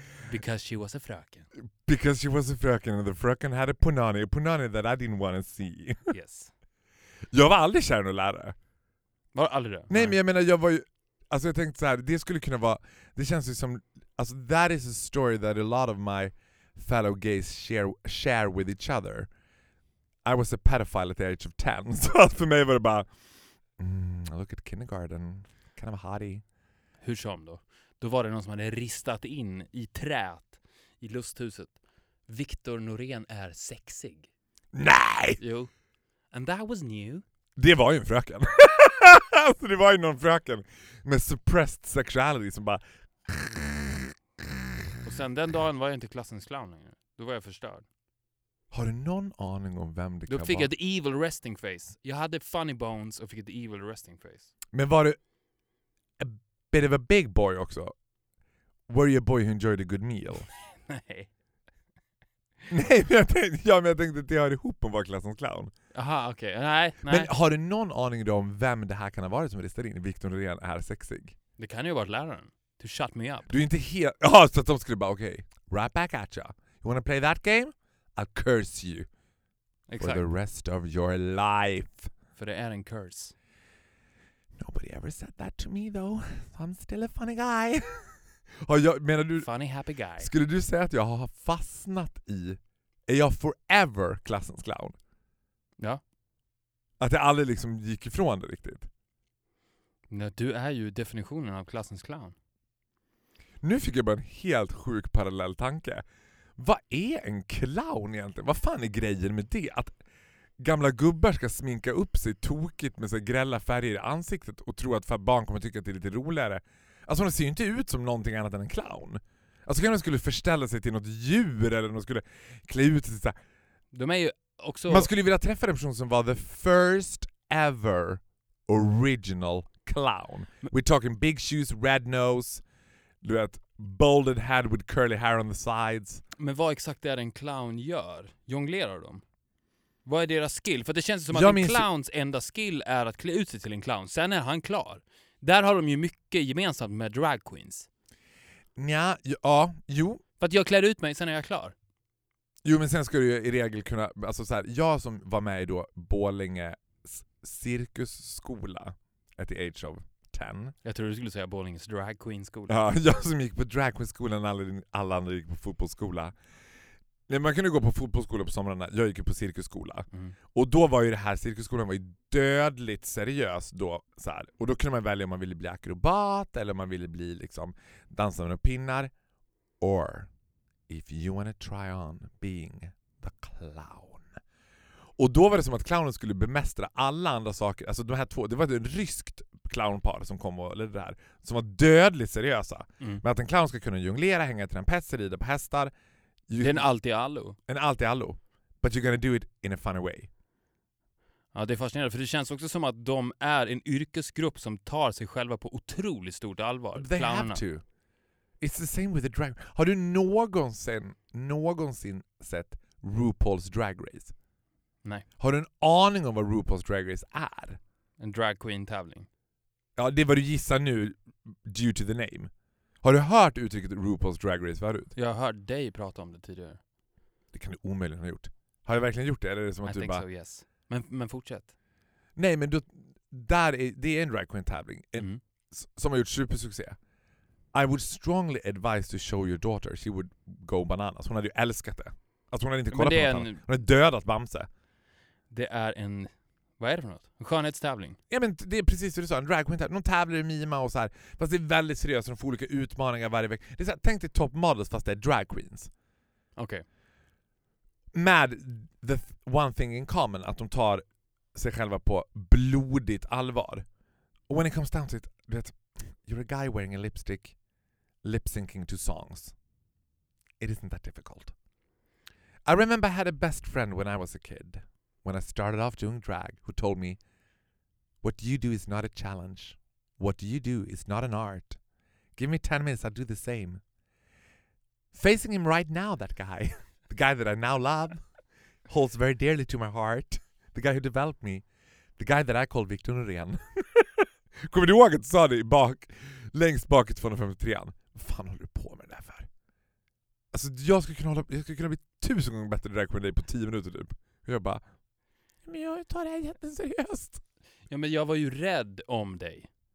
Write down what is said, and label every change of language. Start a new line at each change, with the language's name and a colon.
English: Because she was a fröken. Because she was a fröken and the fröken had a punani that I didn't want to see. Yes.
Swedish: Jag var aldrig kär i någon lärare. Var aldrig det? Nej, men jag menar, jag var ju... Alltså jag tänkte så här, det skulle kunna vara... Det känns ju som... Alltså,
English: that is a story that a lot of my fellow gays share with each other. I was a pedophile at the age of 10.
Swedish: Så för mig var det bara...
English: I look at kindergarten. Kind of a hottie.
Swedish: Hur som då? Då var det någon som hade ristat in i träet i lusthuset. Victor Norén är sexig. Nej! Jo.
English: And that was new.
Swedish: Det var ju en fröken. Alltså, det var ju någon fröken med
English: suppressed sexuality
Swedish: som bara... Och sen den dagen var jag inte klassens clown längre. Då var jag förstörd. Har du någon aning om vem det då kan fick vara? Jag ett
English: evil resting face.
Swedish: Jag hade
English: funny bones
Swedish: och fick ett
English: evil resting face.
Swedish: Men var du
English: a bit of a big boy
Swedish: också?
English: Were you a boy who enjoyed a good meal?
Swedish: Nej. Nej, men jag tänkte att jag hörde ihop om var klassens clown. Aha, okej. Okay. Nej. Men har du någon aning då om vem det här kan ha varit som ristade in? Victor Norén är sexig. Det kan ju ha varit läraren.
English: To shut me up.
Swedish: Du är inte helt... Jaha, så att de skulle bara, okej.
English: Okay. Right back at ya. You wanna play that game? I curse you.
Swedish: Exakt.
English: For the rest of your life.
Swedish: För det är en curse.
English: Nobody ever said that to me though. So I'm still a funny guy.
Swedish: Och jag, menar du,
English: funny happy guy.
Swedish: Skulle du säga att jag har fastnat i... Är jag forever klassens clown? Ja. Att jag aldrig liksom gick ifrån det riktigt. Nej, du är ju definitionen av klassens clown. Nu fick jag bara en helt sjuk parallell tanke. Vad är en clown egentligen? Vad fan är grejen med det? Att gamla gubbar ska sminka upp sig tokigt med så grälla färger i ansiktet och tro att barn kommer tycka att det är lite roligare. Alltså de ser ju inte ut som någonting annat än en clown. Alltså kan de skulle förställa sig till något djur eller de skulle klä ut sig såhär. De är ju också... Man skulle vilja träffa en person som var
English: the first ever original clown. We're talking big shoes, red nose,
Swedish: du vet,
English: bolded head with curly hair on the sides.
Swedish: Men vad exakt är det en clown gör? Jonglerar de? Vad är deras skill? För det känns som jag att en clowns enda skill är att klä ut sig till en clown. Sen är han klar. Där har de ju mycket gemensamt med drag queens. Ja, jo. För att jag klär ut mig, sen är jag klar. Jo, men sen ska du ju i regel kunna... Alltså så här, jag som var med i då Borlänge cirkusskola
English: at the age of 10.
Swedish: Jag tror du skulle säga Borlänges drag queen skola. Ja, jag som gick på drag queen skolan när alla andra gick på fotbollsskola. Nej, man kunde gå på fotbollsskola på somrarna. Jag gick ju på cirkusskola. Mm. Och då var ju det här, cirkusskolan var ju dödligt seriös då. Så här. Och då kunde man välja om man ville bli akrobat eller om man ville bli liksom dansa med pinnar.
English: Or if you want to try on being the clown.
Swedish: Och då var det som att clownen skulle bemästra alla andra saker. Alltså de här två, det var ett ryskt clownpar som kom och ledde det här. Som var dödligt seriösa. Mm. Men att en clown ska kunna jonglera, hänga till en pester, rida på hästar. Det är en allt-i-allo. En allt-i-allo.
English: But you're gonna do it in a funny way.
Swedish: Ja, det är fascinerande. För det känns också som att de är en yrkesgrupp som tar sig själva på otroligt stort allvar.
English: They
Swedish: clownerna.
English: Have to. It's the same with the drag.
Swedish: Har du någonsin sett RuPaul's Drag Race? Nej. Har du en aning om vad RuPaul's Drag Race är? En drag queen-tävling. Ja, det är vad du gissar nu
English: due to the name.
Swedish: Har du hört uttrycket RuPaul's Drag Race förut? Jag har hört dig prata om det tidigare. Det kan du omöjligen ha gjort. Har jag verkligen gjort det? Eller är det som att
English: I
Swedish: du
English: think
Swedish: bara... so, yes. Men fortsätt. Nej, men det är en drag queen tävling som har gjort supersuccé.
English: I would strongly advise to show your daughter. She would go bananas.
Swedish: Hon hade ju älskat det. Alltså hon hade inte kollat på något annat. Hon hade dödat Bamse. Det är en... Vad är det för något? En skönhetstävling? Ja, men det är precis det du sa. En drag queen tävling. De tävlar i mima och så här. Fast det är väldigt seriöst. De får olika utmaningar varje vecka. Det är så här, tänk dig top models fast det är drag queens. Okej.
English: Okay.
Swedish: Med
English: the one thing in common.
Swedish: Att de tar sig själva på blodigt allvar. Och
English: when it comes down to it.
Swedish: Vet,
English: you're a guy wearing a lipstick. Lip syncing to songs. It isn't that difficult. I remember I had a best friend when I was a kid. When I started off doing drag, who told me, what you do is not a challenge. What you do is not an art. Give me 10 minutes, I'll do the same. Facing him right now, that guy, the guy that I now love, holds very dearly to my heart, the guy who developed me, the guy that I called Victor Norén.
Swedish: Kommer du ihåg att du sa det bak, längst bak i 253? Vad fan håller du på med det här för? Alltså jag skulle kunna, bli 1000 gånger bättre drag queen än dig på 10 minuter typ. Och jag bara, men jag tar det här jätteseriöst. Ja men jag var ju rädd om dig.